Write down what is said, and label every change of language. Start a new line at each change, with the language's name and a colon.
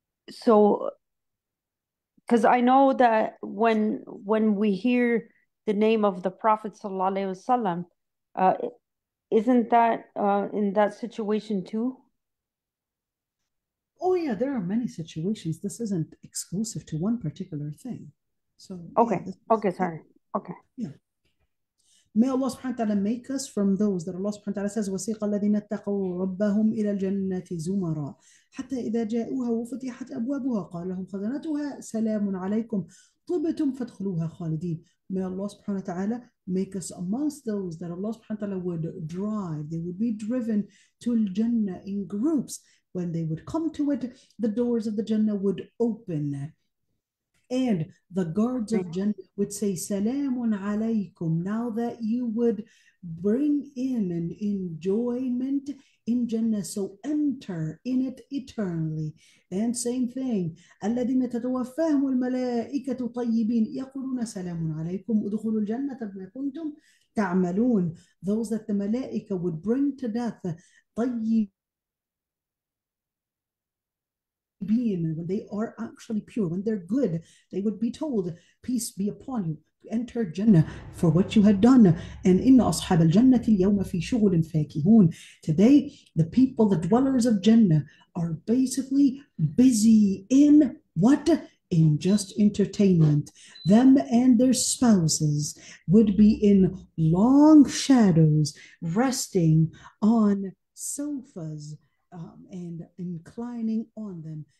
English: So, because I know that when we hear the name of the Prophet sallallahu alaihi wasallam, isn't that in that situation too? Oh yeah, there are many situations. This isn't exclusive to one particular thing. So okay, yeah, okay, sorry. Okay. Yeah. May Allah subhanahu wa ta'ala make us from those that Allah subhanahu wa ta'ala says,
Arabic: وَسِيقَ الَّذِينَ اتَّقَوْا رَبَّهُمْ إِلَى الْجَنَّةِ زُمَرًا حَتَّى إِذَا جَاءُوهَا وَفُتِحَتْ أَبْوَابُهَا قَالَ لَهُمْ خَزَنَتُهَا سَلَامٌ عَلَيْكُمْ طِبْتُمْ فَادْخُلُوهَا خَالِدِينَ.
English: May Allah subhanahu wa ta'ala make us amongst those that Allah subhanahu wa ta'ala would drive. They would be driven to al-Jannah in groups. When they would come to it, the doors of the Jannah would open. And the guards of Jannah would say, Salamun alaykum. Now that you would bring in an enjoyment in Jannah, so enter in it eternally. And same thing,
Arabic: الذين تتوفاهم الملائكة طيبين يقولون سلام عليكم ادخلوا الجنة بما كنتم تعملون.
English: Those that the Malaika would bring to death,
Arabic: طيبين,
English: when they are actually pure, when they're good, they would be told, peace be upon you, enter Jannah for what you had done. And in
Arabic: أصحاب الجنة اليوم في شغل فاكهون.
English: Today, the people, the dwellers of Jannah, are basically busy in what? in just entertainment, them and their spouses would be in long shadows, resting on sofas and inclining on them.